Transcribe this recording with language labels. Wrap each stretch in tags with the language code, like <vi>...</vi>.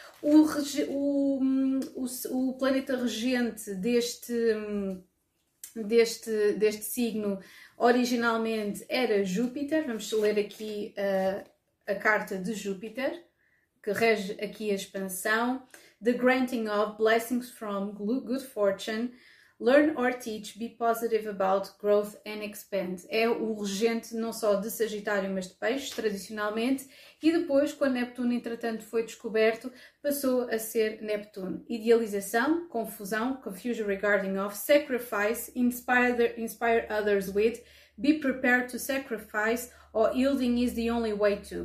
<pt>O planeta regente deste signo originalmente era Júpiter. Vamos ler aqui a carta de Júpiter, que rege aqui a expansão.</pt> <en>The granting of blessings from good fortune. Learn or teach, be positive about growth and expand.</en> <pt>É o regente não só de Sagitário, mas de Peixes, tradicionalmente. E depois, quando Neptuno, entretanto, foi descoberto, passou a ser Neptuno. Idealização, confusão,</pt> <en>confusion regarding of, sacrifice, inspire others with, be prepared to sacrifice, or yielding is the only way to.</en>